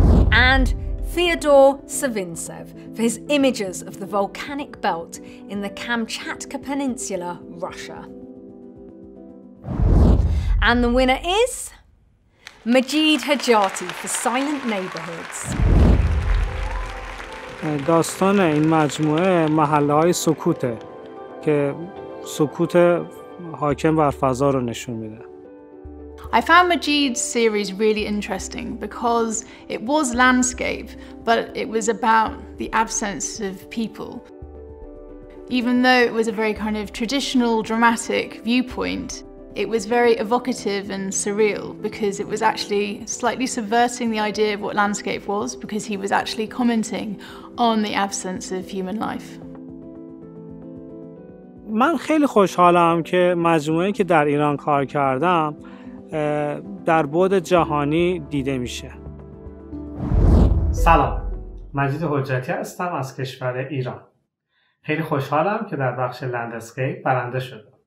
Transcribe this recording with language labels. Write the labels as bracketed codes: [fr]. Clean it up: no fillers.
[en] And Fyodor Savintsev for his images of the volcanic belt in the Kamchatka Peninsula, Russia. And the winner is Majid Hajati for Silent Neighborhoods. [fa] داستان این مجموعه محله‌های سکوته که سکوت حاکم بر فضا رو نشون میده. [en] I found Majid's series really interesting because it was landscape, but it was about the absence of people. Even though it was a very kind of traditional dramatic viewpoint, it was very evocative and surreal because it was actually slightly subverting the idea of what landscape was, because he was actually commenting on the absence of human life. [fa] من خیلی خوشحالم که مجموعه‌ای که در ایران کار کردم در بعد جهانی دیده میشه. سلام. مجید حجتی هستم از کشور ایران. خیلی خوشحالم که در بخش لندسکیپ برنده شدم.